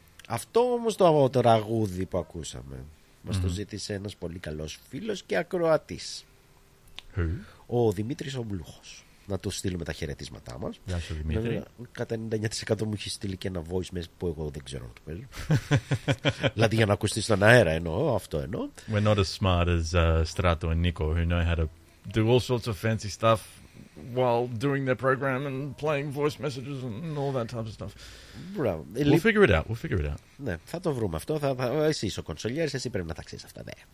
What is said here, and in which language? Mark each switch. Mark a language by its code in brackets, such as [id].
[el] Αυτό όμως το τραγούδι που ακούσαμε μας το ζήτησε ένας πολύ καλός φίλος και ακροατής. [en] Who? [el] Ο Δημήτρης ο Μπλούχος. Να του στείλουμε τα χαιρετίσματά μας. Γεια σου, Δημήτρη. Κατά 99% μου έχει στείλει και ένα voice message που εγώ δεν ξέρω να το παίζω. Δηλαδή για να ακουστεί στον αέρα, εννοώ, αυτό εννοώ. [en] We're not as smart as Strato and Nico, who know how to do all sorts of fancy stuff while doing their program and playing voice messages and all that type of stuff. [el] Μπράβο. [en] We'll figure it out. We'll figure it out. [el] Ναι, θα το βρούμε αυτό. Εσύ είσαι ο κονσολιέρης, εσύ πρέπει να τα ξέρεις αυτά.